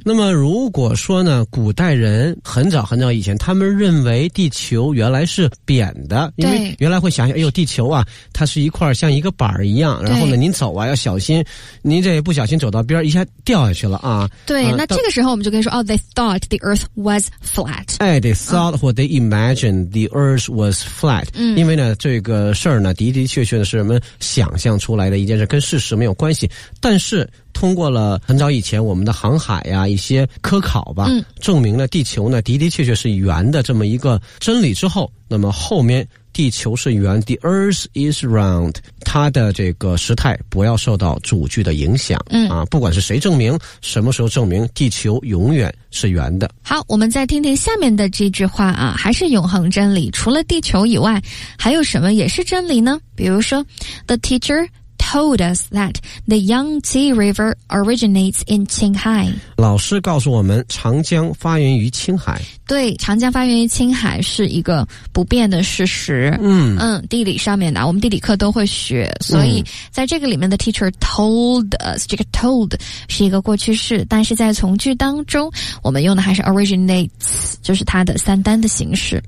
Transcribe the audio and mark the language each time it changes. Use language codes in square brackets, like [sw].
[zh] 那么如果说呢，古代人很早很早以前，他们认为地球原来是扁的，因为原来会想想，哎呦，地球啊，它是一块像一个板一样，然后呢，您走啊要小心，您这不小心走到边一下掉下去了啊。对，那这个时候我们就可以说，哦 ， [en] they thought the earth was flat。哎 ，they thought、嗯、or they imagined the earth was flat。嗯， [zh] 因为呢，这个事儿呢，的的确确的是人们想象出来的一件事，跟事实没有关系，但是。通过了很早以前我们的航海呀，一些科考吧，嗯，证明了地球呢的的确确是圆的这么一个真理之后，那么后面地球是圆 ， [en] the earth is round， [zh] 它的这个时态不要受到主句的影响，嗯，啊，不管是谁证明，什么时候证明，地球永远是圆的。好，我们再听听下面的这句话啊，还是永恒真理，除了地球以外，还有什么也是真理呢？比如说 ， [en] the teacher。 Told us that the Yangtze River originates in Qinghai. [zh] 老师告诉我们，长江发源于青海。对，长江发源于青海是一个不变的事实。嗯嗯，地理上面的，我们地理课都会学，所以在这个里面的 [en] teacher told us， [zh] 这个 told 是一个过去式，但是在从句当中，我们用的还是 originates， 就是它的三单的形式。